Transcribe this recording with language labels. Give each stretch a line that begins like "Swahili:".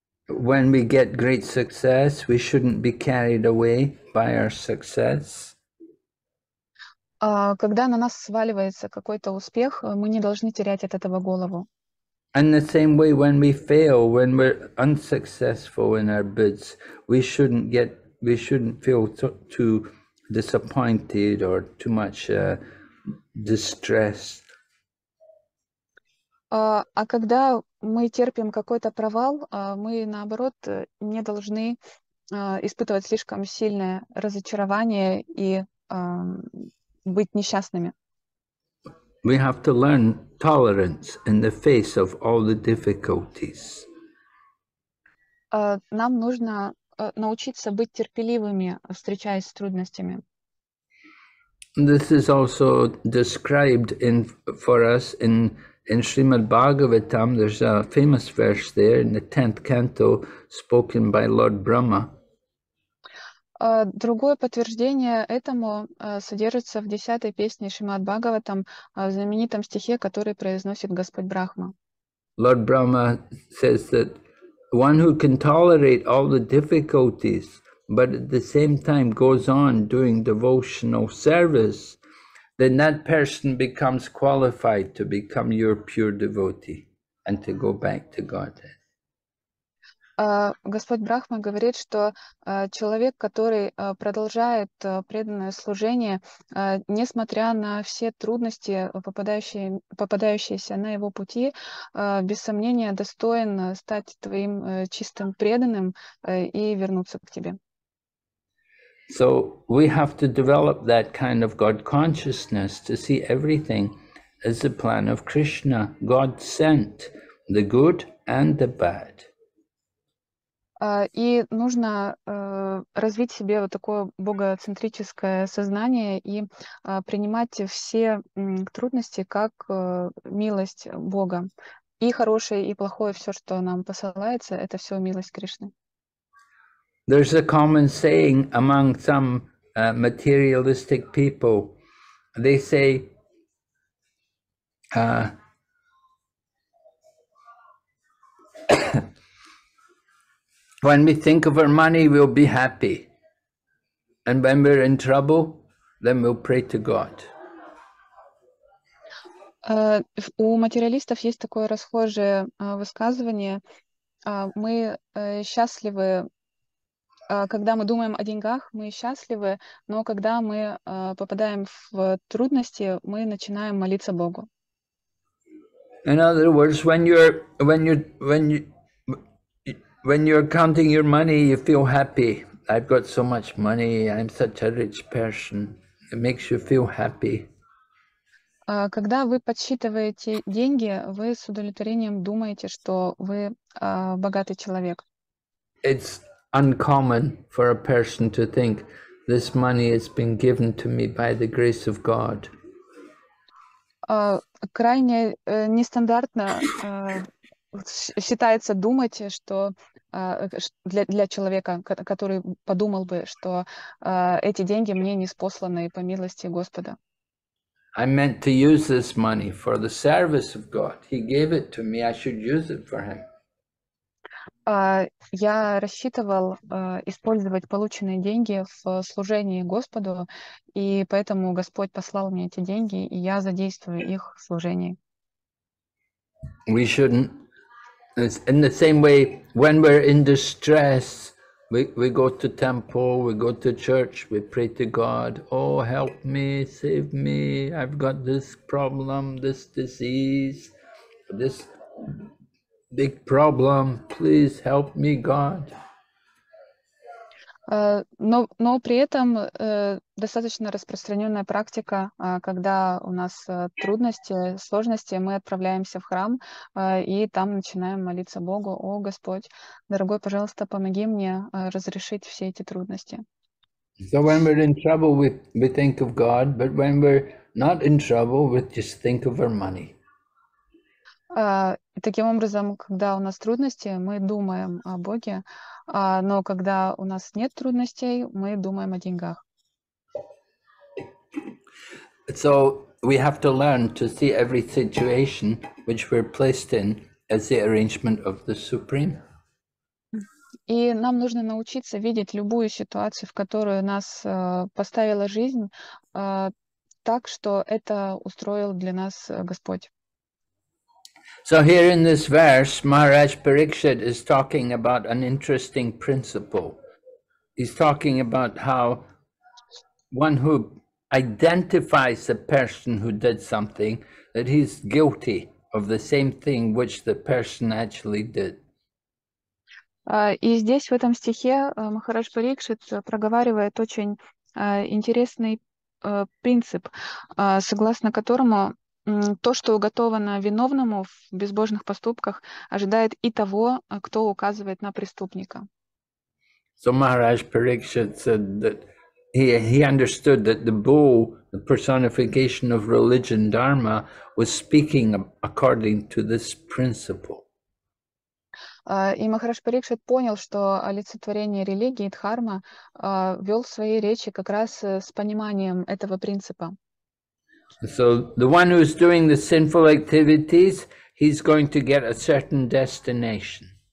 English: When we get great success, we shouldn't be carried away by our success.
Russian: Когда на нас сваливается какой-то успех, мы не должны терять от этого голову.
English: And the same way, when we fail, when we're unsuccessful in our bids, we shouldn't feel too disappointed or too much distressed.
Russian: А когда мы терпим какой-то провал, мы, наоборот, не должны испытывать слишком сильное разочарование и быть несчастными.
English: We have to learn tolerance in the face of all the difficulties.
Russian: Нам нужно научиться быть терпеливыми, встречаясь с трудностями.
English: This is also described in Srimad Bhagavatam, there's a famous verse there in the 10th canto spoken by Lord Brahma.
Russian: Другое подтверждение этому содержится в 10-й песне Шримад Бхагаватам, в знаменитом стихе, который произносит Господь Брахма.
English: Lord Brahma says that one who can tolerate all the difficulties but at the same time goes on doing devotional service, then that person becomes qualified to become your pure devotee and to go back to Godhead.
Russian: Господь Брахма говорит, что человек, который продолжает преданное служение, несмотря на все трудности, попадающиеся на его пути, без сомнения достоин стать твоим чистым преданным и вернуться к тебе.
English: So we have to develop that kind of God consciousness to see everything as the plan of Krishna. God sent the good and the bad.
Russian: И нужно развить в себе вот такое богоцентрическое сознание и принимать все трудности как милость Бога. И хорошее, и плохое, все, что нам посылается, это все милость Кришны.
English: There's a common saying among some materialistic people. They say, when we think of our money, we'll be happy. And when we're in trouble, then we'll pray to God.
Russian: У материалистов есть такое расхожее высказывание. Мы счастливы, когда мы думаем о деньгах, мы счастливы, но когда мы попадаем в трудности, мы начинаем молиться Богу.
English: In other words, when you're counting your money, you feel happy. I've got so much money. I'm such a rich person. It makes you feel happy.
Russian: Когда вы подсчитываете деньги, вы с удовлетворением думаете, что вы богатый человек.
English: It's uncommon for a person to think this money has been given to me by the grace of God.
Russian: Крайне нестандартно считается думать, что для человека, который подумал бы, что эти деньги мне не спосланы по милости Господа.
English: I meant to use this money for the service of God. He gave it to me, I should use it for him.
Russian: Я рассчитывал использовать полученные деньги в служении Господу, и поэтому Господь послал мне эти деньги, и я задействую их в служении.
English: We shouldn't. In the same way, when we're in distress, we go to temple, we go to church, we pray to God, oh, help me, save me, I've got this problem, this disease, this big problem, please help me, God.
Russian: Но при этом достаточно распространенная практика, когда у нас трудности, сложности, мы отправляемся в храм и там начинаем молиться Богу: «О, Господь, дорогой, пожалуйста, помоги мне разрешить все эти трудности».
English: So when we're in trouble, we think of God, but when we're not in trouble, we just think of our money.
Russian: Таким образом, когда у нас трудности, мы думаем о Боге, но когда у нас нет трудностей, мы думаем о деньгах.
English: So we have to learn to see every situation which we're placed in as the arrangement of the Supreme.
Russian: И нам нужно научиться видеть любую ситуацию, в которую нас поставила жизнь, так, что это устроил для нас Господь.
English: So here in this verse, Maharaj Parikshit is talking about an interesting principle. He's talking about how one who identifies the person who did something, that he's guilty of the same thing which the person actually did.
Russian: И здесь, в этом стихе, Махарадж Парикшит проговаривает очень интересный принцип, согласно которому то, что уготовано виновному в безбожных поступках, ожидает и того, кто указывает на преступника.
English: So Maharaj Parikshit said that he understood that the bull, the personification of religion dharma, was speaking according to this principle.
Russian: И Махарадж Парикшит понял, что олицетворение религии дхарма вел свои речи как раз с пониманием этого принципа.
English: So the one who is doing the sinful activities, he's going to get a certain destination.